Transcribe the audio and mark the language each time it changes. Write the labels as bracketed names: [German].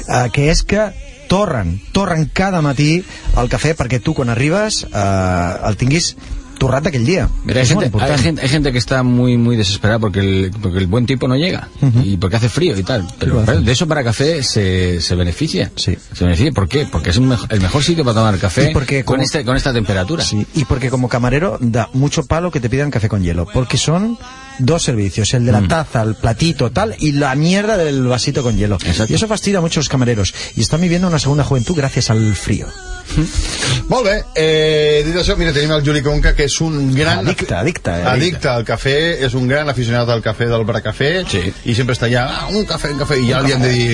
[Catalan] Que és que torren cada matí el cafè perquè tu quan arribes el tinguis torrat aquell dia. [Spanish] Mira, hay gente que está muy, muy desesperada porque el buen tiempo no llega. Uh-huh. Y porque hace frío y tal. Pero de eso Bracafé se beneficia. Sí. Se beneficia. ¿Por qué? Porque es el mejor sitio para tomar café porque con esta temperatura. Sí. Y porque como camarero da mucho palo que te pidan café con hielo. Porque son dos servicios. El de la taza, el platito, tal, y la mierda del vasito con hielo. Exacto. Y eso fastidia a muchos camareros. Y están viviendo una segunda juventud gracias al frío. [Catalan] Molt bé, dit això, mira, tenim el Juli Conca, que és un gran... Addicte al cafè, és un gran aficionat al cafè del Bracafé, sí. I sempre està allà, un cafè, i ja li han de dir...